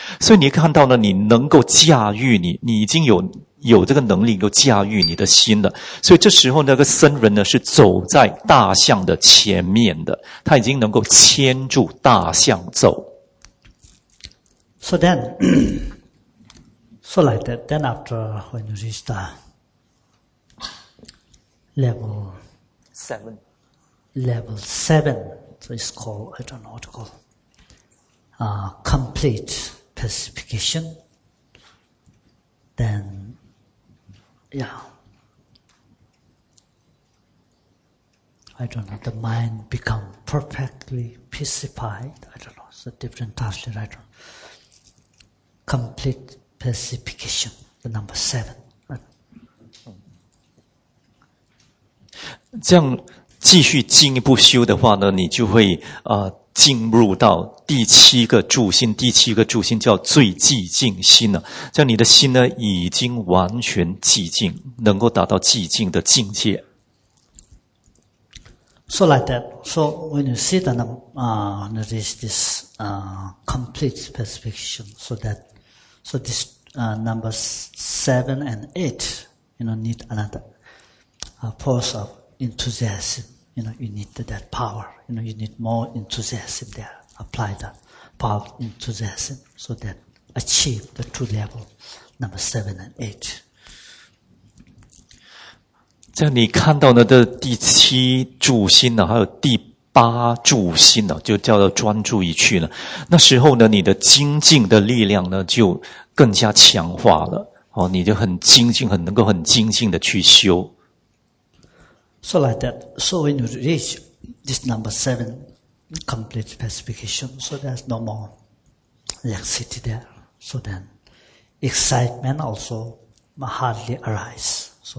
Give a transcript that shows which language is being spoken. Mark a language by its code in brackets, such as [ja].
[zh] 所以你看到呢，你能够驾驭你已经有这个能力能够驾驭你的心了。所以这时候那个僧人呢是走在大象的前面的，他已经能够牵住大象走。 [en] So like that, then after when you reach the level seven, so it's called, I don't know what to call, complete pacification. Then, I don't know, the mind become perfectly pacified. I don't know, it's a different translation, I don't know. Complete pacification, the number seven. Right? [zh] 继续进一步修的话呢，你就会进入到第七个住心，第七个住心叫最寂静心了。这样你的心呢已经完全寂静，能够达到寂静的境界。 [en] So like that. So when you see that there is this complete pacification, so this numbers 7 and 8, need another pause of enthusiasm. You need that power. You need more enthusiasm there. Apply the power of enthusiasm so that achieve the true level, number 7 and 8. [zh] 这样你看到呢，这第七柱心呢，还有第八柱心呢，就叫做专注一去呢。那时候呢，你的精进的力量呢，就更加强化了。哦，你就很精进，很能够很精进的去修。 [en] So like that. So when you reach this number 7, complete pacification, so there's no more laxity there. So then excitement also hardly arise.